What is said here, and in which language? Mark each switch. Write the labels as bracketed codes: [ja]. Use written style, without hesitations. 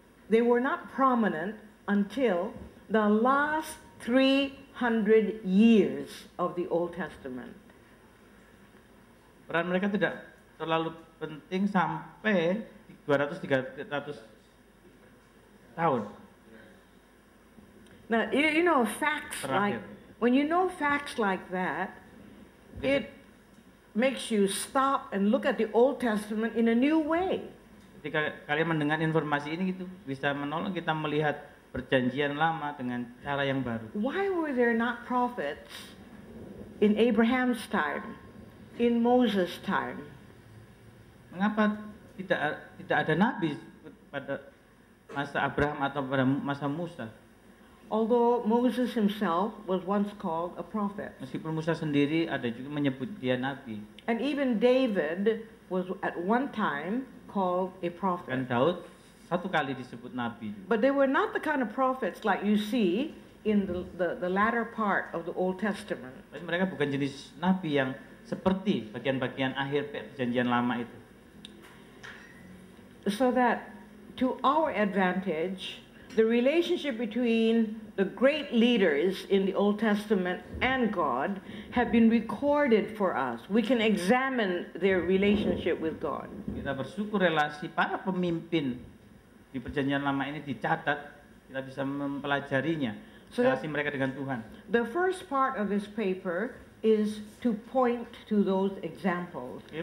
[en] they were not prominent until the last 300 years of the Old Testament. [id] Peran mereka tidak terlalu penting sampai 200-300 tahun. [en] Now, you know, facts terakhir. Like, when you know facts like that, it makes you stop and look at the Old Testament in a new way. [id] Ketika kalian mendengar informasi ini gitu, bisa menolong kita melihat perjanjian lama dengan cara yang baru. [en] Why were there not prophets in Abraham's time, in Moses' time? [id] Mengapa tidak ada nabi pada masa Abraham atau pada masa Musa? [en] Although Moses himself was once called a prophet. [id] Meskipun Musa sendiri ada juga menyebut dia nabi. [en] And even David was at one time called a prophet. [id] Dan Daud satu kali disebut nabi. [en] But they were not the kind of prophets like you see in the latter part of the Old Testament. [id] Tapi mereka bukan jenis nabi yang seperti bagian-bagian akhir perjanjian lama itu. [en] So that to our advantage, the relationship between the great leaders in the Old Testament and God have been recorded for us. We can examine their relationship with God. [id] Kita bersyukur relasi para pemimpin di perjanjian lama ini dicatat, kita bisa mempelajarinya, relasi mereka dengan Tuhan. [en] The first part of this paper is to point to those examples.